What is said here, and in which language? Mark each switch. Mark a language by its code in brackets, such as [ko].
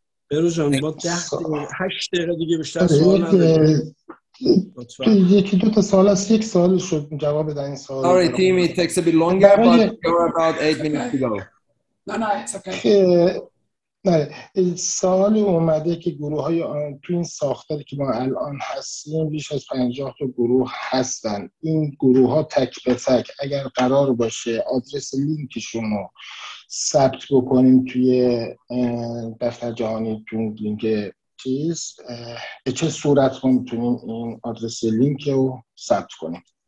[fa] برو جان با 8 دقیقه دیگه بیشتر سوال نداریم. یکی دو تا سوال هست، یک سوال شد جواب بدن این سوال. [en] Sorry team, it takes a bit longer but you're about 8 minutes to go. No, it's okay. [fa] سوالی اومده که گروه های تو این ساختاری که ما الان هستیم بیش از 50 تا گروه هستن، این گروه ها تک به تک اگر قرار باشه آدرس لینکشون رو ثبت بکنیم توی دفتر جهانی تون لینک چیز، به چه صورت ما میتونیم این آدرس لینک رو ثبت کنیم؟